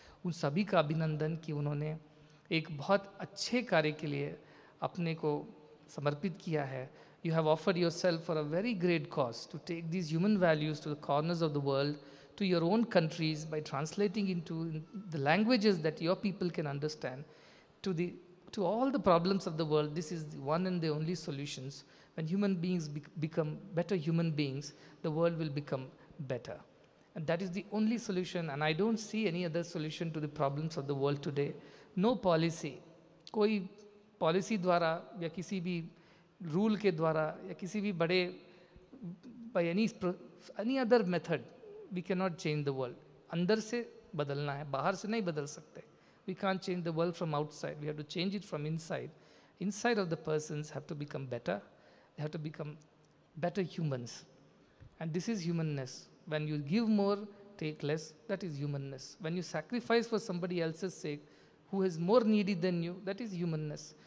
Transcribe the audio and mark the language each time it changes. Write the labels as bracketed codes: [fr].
[hi] उन सभी का अभिनंदन कि उन्होंने एक बहुत अच्छे कार्य के लिए अपने को समर्पित किया है। [en] You have offered yourself for a very great cause to take these human values to the corners of the world, to your own countries by translating into the languages that your people can understand, to all the problems of the world. This is the one and the only solutions. When human beings become better human beings, the world will become better. And that is the only solution, and I don't see any other solution to the problems of the world today. No policy, [hi] koi policy dwara ya kisi bhi rule ke dwara ya kisi bhi bade, [en] by any other method, we cannot change the world. [hi] अंदर से बदलना है, बाहर से नहीं बदल सकते। [en] We can't change the world from outside. We have to change it from inside. Inside of the persons have to become better. They have to become better humans. And this is humanness. When you give more, take less, that is humanness. When you sacrifice for somebody else's sake, who is more needy than you, that is humanness.